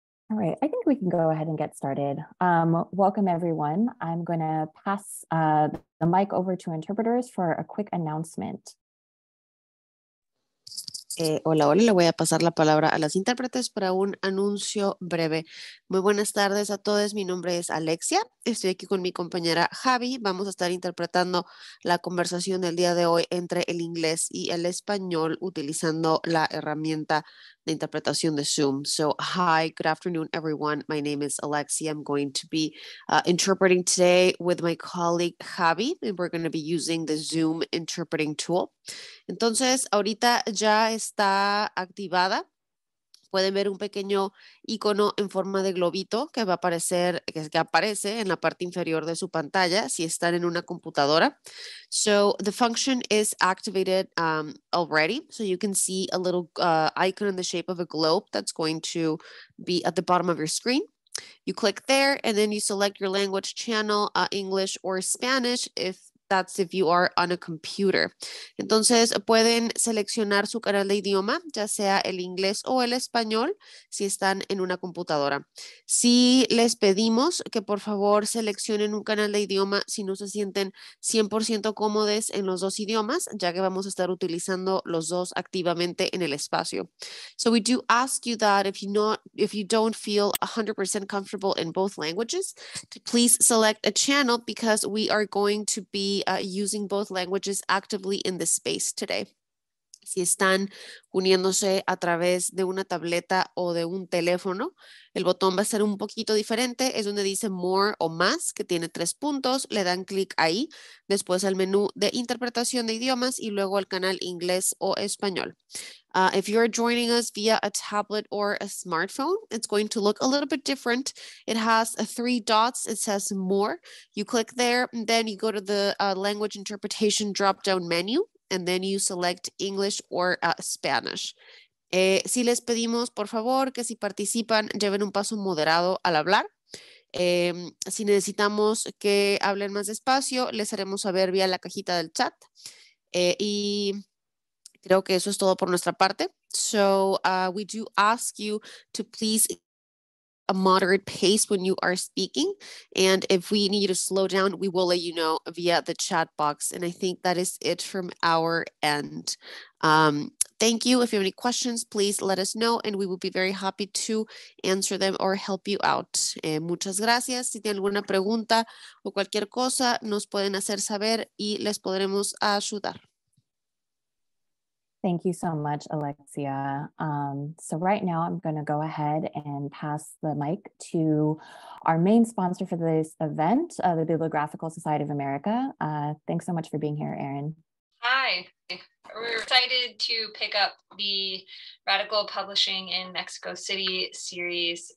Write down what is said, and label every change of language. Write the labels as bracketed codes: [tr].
[en] All right, I think we can go ahead and get started. Welcome everyone. I'm gonna pass the mic over to interpreters for a quick announcement. [es] Hola, hola, le voy a pasar la palabra a las intérpretes para un anuncio breve. Muy buenas tardes a todos, mi nombre es Alexia, estoy aquí con mi compañera Javi, vamos a estar interpretando la conversación del día de hoy entre el inglés y el español utilizando la herramienta de interpretación de Zoom. [en] So, hi, good afternoon everyone, my name is Alexia, I'm going to be interpreting today with my colleague Javi, and we're going to be using the Zoom interpreting tool. [es] Entonces, ahorita ya está activada. Pueden ver un pequeño icono en forma de globito que va a aparecer, que aparece en la parte inferior de su pantalla si están en una computadora. [en] So the function is activated already. So you can see a little icon in the shape of a globe that's going to be at the bottom of your screen. You click there and then you select your language channel, English or Spanish, if that's if you are on a computer. [es] Entonces, pueden seleccionar su canal de idioma, ya sea el inglés o el español, si están en una computadora. Si les pedimos que por favor seleccionen un canal de idioma si no se sienten 100% cómodos en los dos idiomas, ya que vamos a estar utilizando los dos activamente en el espacio. So we do ask you that if you don't feel 100% comfortable in both languages, to please select a channel because we are going to be using both languages actively in this space today. Si están uniéndose a través de una tableta o de un teléfono, el botón va a ser un poquito diferente. Es donde dice More o Más, que tiene tres puntos. Le dan clic ahí, después al menú de interpretación de idiomas y luego al canal inglés o español. [en] If you are joining us via a tablet or a smartphone, it's going to look a little bit different. It has three dots. It says More. You click there, and then you go to the language interpretation drop-down menu, and then you select English or Spanish. [es] Si les pedimos, por favor, que si participan, lleven un paso moderado al hablar. Si necesitamos que hablen más despacio, les haremos saber vía la cajita del chat. Y creo que eso es todo por nuestra parte. [en] So we do ask you to please a moderate pace when you are speaking. And if we need you to slow down, we will let you know via the chat box. And I think that is it from our end. Thank you. If you have any questions, please let us know and we will be very happy to answer them or help you out. [es] Muchas gracias. Si tienen alguna pregunta o cualquier cosa, nos pueden hacer saber y les podremos ayudar. [en] Thank you so much, Alexia. So right now I'm gonna go ahead and pass the mic to our main sponsor for this event, the Bibliographical Society of America. Thanks so much for being here, Erin. Hi, we're excited to pick up the Radical Publishing in Mexico City series.